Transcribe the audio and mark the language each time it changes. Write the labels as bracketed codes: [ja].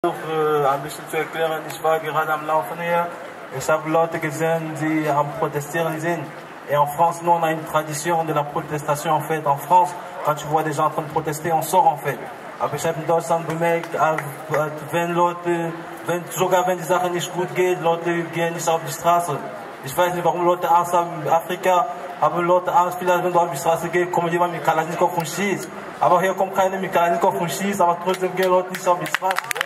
[de] Noch ein bisschen zu erklären, ich war gerade am Laufen hier. Ich habe Leute gesehen, die am Protestieren sind. [fr] Et en France, nous, on a une tradition de la protestation, en fait. En France, quand tu vois des gens en train de protester, on sort, en fait. [de] Aber ich habe in Deutschland bemerkt, wenn Leute, wenn, sogar wenn die Sache nicht gut geht, Leute gehen nicht auf die Straße. Ich weiß nicht, warum Leute Angst haben. In Afrika haben Leute Angst, vielleicht wenn du auf die Straße gehst, kommt jemand mit Kalaschnikow und schießt. Aber hier kommt keiner mit Kalaschnikow und schießt, aber trotzdem gehen Leute nicht auf die Straße.